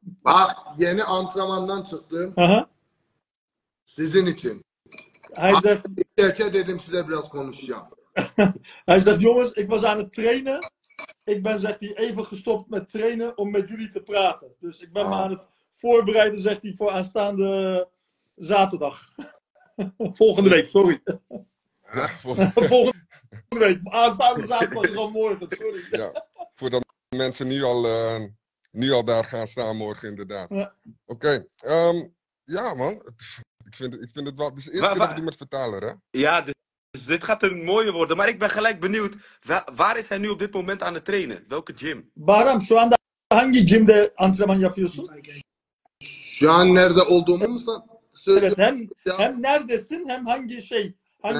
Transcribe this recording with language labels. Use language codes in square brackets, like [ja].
[tr] Bak yeni antrenmandan çıktım. Aha. Sizin için. [nl] Hij [tr] Geçe dedim size biraz konuşacağım. [nl] zegt, jongens, ik was aan het trainen. Ik ben, zegt hij, even gestopt met trainen om met jullie te praten. Dus ik ben me aan het voorbereiden, zegt hij, voor aanstaande zaterdag. Volgende week, sorry. Volgende week. Aanstaande zaterdag is al morgen, sorry. Ja, voordat mensen nu al daar gaan staan morgen inderdaad. Ja. Oké, ja man, ik vind het wel. Het is de eerste keer dat we doen met vertaler, hè? Ja, dit gaat een mooie worden, maar ik ben gelijk benieuwd. Waar is hij nu op dit moment aan het trainen? Welke gym? [tr] Bahram, şu anda hangi gymde antrenman yapıyorsun? Şu an nerede olduğumu mu Evet, söylüyorum? hem neredesin hem hangi şey hangi